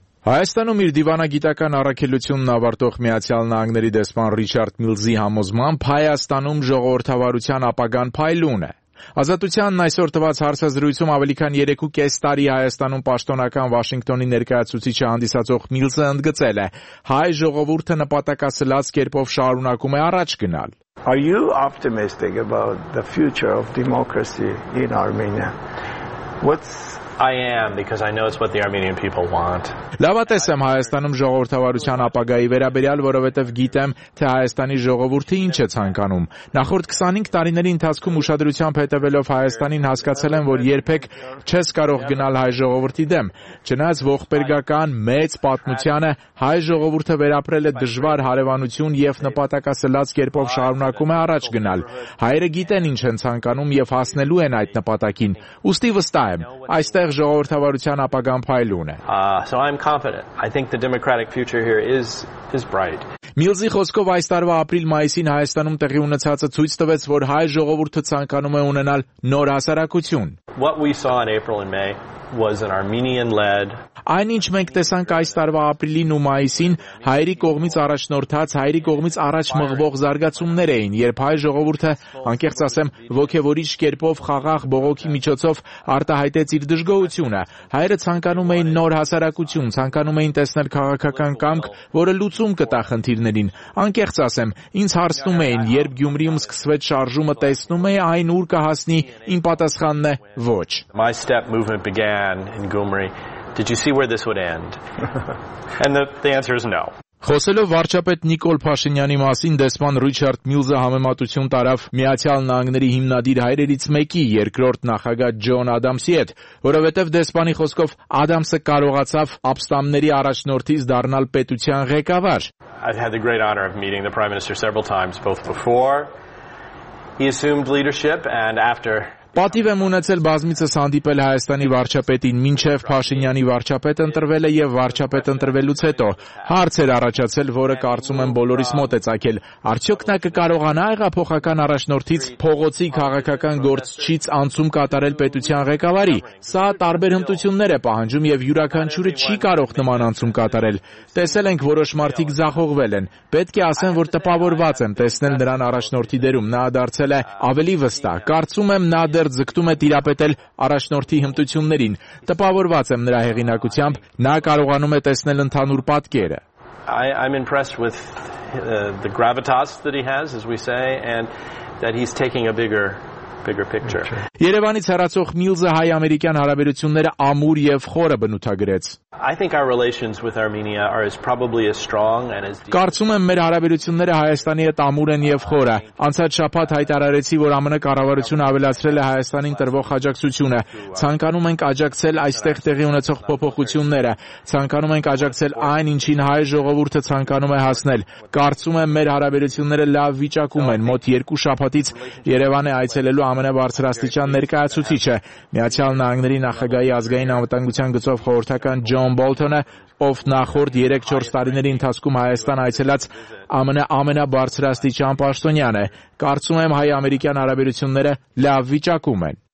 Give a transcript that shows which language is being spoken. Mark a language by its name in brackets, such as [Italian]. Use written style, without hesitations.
[Armenian] Հայաստանում իր դիվանագիտական առաքելությունն ավարտող Միացյալ Նահանգների դեսպան Ռիչարդ Միլզի համոզմամբ Հայաստանում ժողովրդավարության ապագան փայլուն է։ Ազատությանն այսօր տված հարցազրույցում ավելի քան 3.5 տարի Հայաստանում պաշտոնական Վաշինգտոնի ներկայացուցիչը հանդիսացող Միլզը ընդգծել է. «Հայ ժողովուրդը նպատակասլաց կերպով շարունակում է առաջ գնալ»։ [English] Are you optimistic about the future of democracy in Armenia? What's I am because I know it's what the Armenian people want. [Armenian] Լավատես եմ Հայաստանում ժողովրդավարության ապագայի վերաբերյալ, որովհետև գիտեմ, թե Հայաստանի ժողովուրդը ինչ է ցանկանում։ Նախորդ 25 տարիների ընթացքում ուշադրությամբ հետևելով Հայաստանին հասկացել եմ, որ երբեք չես կարող գնալ հայ ժողովրդի դեմ։ Չնայած ողբերգական մեծ պատմությանը, հայ ժողովուրդը վերապրել է դժվար հարևանություն եւ նպատակասլաց կերպով շարունակում է առաջ գնալ։ Հայերը գիտեն ինչ են ցանկանում եւ հասնելու են այդ նպատակին։ Ուստի վստահ եմ, այս ստեղ ժողովրդավարության ապագան փայլուն է։ [English] So I'm confident. I think the democratic future here is bright. [Armenian] Միլզի խոսքով այս տարվա ապրիլ-մայիսին Հայաստանում տեղի ունեցածը ցույց տվեց, որ հայ ժողովուրդը ցանկանում է ունենալ նոր հասարակություն։ [English] What we saw in April and May was an Armenian-led [Armenian] Այնինչ մենք տեսանք այս տարվա ապրիլին ու մայիսին, հայերի կողմից առաջնորդած, հայերի կողմից առաջ մղվող զարգացումներ էին, երբ հայ ժողովուրդը, անկեղծ ասեմ, ոգևորիչ կերպով խաղաղ բողոքի միջոցով արտահայտեց իր դժգոհությունը։ Հայերը ցանկանում էին նոր հասարակություն, ցանկանում էին տեսնել քաղաքական կամք, որը լուծում կտա խնդիրներին։ Անկեղծ ասեմ, ինձ հարցնում էին, երբ Գյումրիում սկսվեց շարժումը, տեսնում էի այն ուր կհասնի, իմ պատասխանն է՝ ոչ։ [English] My step movement began in Gyumri. Did you see where this would end? And the answer is no. [Armenian] Խոսելով վարչապետ Նիկոլ Փաշինյանի մասին, դեսպան Ռիչարդ Մյուզը համեմատություն տարավ Միացյալ Նահանգների հիմնադիր հայրերից մեկի, երկրորդ նախագահ Ջոն Ադամսի հետ, որովհետև դեսպանի խոսքով Ադամսը կարողացավ ապստամների առաջնորդից դառնալ պետության ղեկավար. [English] I've had the great honor of meeting the Prime Minister several times, both before he assumed leadership and after. [Armenian] Պատիվ եմ ունեցել բազմիցս հանդիպել Հայաստանի վարչապետին, մինչև Փաշինյանի վարչապետ ընտրվել է և վարչապետ ընտրվելուց հետո։ Հարց էր առաջացել, որը կարծում եմ բոլորիս մոտ է ծագել. արդյոք նա կկարողանա հեղափոխական առաջնորդից փողոցի քաղաքական գործչից անցում կատարել պետության ղեկավարի։ Սա տարբեր հմտություններ է պահանջում և յուրաքանչյուրը չի կարող նման անցում կատարել։ Տեսել ենք, որոշ մարդիկ զախողվել են։ Պետք է ասեմ, որ տպավորված եմ տեսնել նրան առաջնորդի դերում։ Նա դարձել է ավելի վստահ։ Կարծում եմ, նա դեռ ձգտում է տիրապետել առաջնորդի հմտություններին։ Տպավորված եմ նրա հեղինակությամբ, նա կարողանում է տեսնել ընդհանուր պատկերը։ [English] I'm impressed with the gravitas that he has, as we say, and that he's taking a bigger picture. [Armenian] Երևանից հեռացող Միլզը հայ-ամերիկյան հարաբերությունները ամուր եւ խորը բնութագրեց։ [English] I think our relations with Armenia are as probably as strong and as deep. [Armenian] Կարծում եմ, մեր հարաբերությունները Հայաստանի հետ ամուր են եւ խորը։ Անցած շաբաթ հայտարարեցի, որ ԱՄՆ կառավարությունը ավելացրել է Հայաստանին տրվող աջակցությունը։ Ցանկանում ենք աջակցել այստեղ տեղի ունեցող փոփոխությունները։ Ցանկանում ենք աջակցել այն, ինչին հայ ժողովուրդը ցանկանում է հասնել։ Կարծում եմ, մեր հարաբերությունները լավ վիճակում են։ Մոտ 2 շաբաթից Երևան է այցելելու ԱՄՆ բարձրաստիճան ներկայացուցիչը, Միացյալ Նահանգների նախագահի ազգային անվտանգության գծով խորհրդական Ջոն Բոլթոնը, ով նախորդ 3-4 տարիների ընթացքում Հայաստան այցելած ԱՄՆ ամենաբարձրաստիճան պաշտոնյանը, կարծում եմ, հայ-ամերիկյան հարաբերությունները լավ վիճակում են։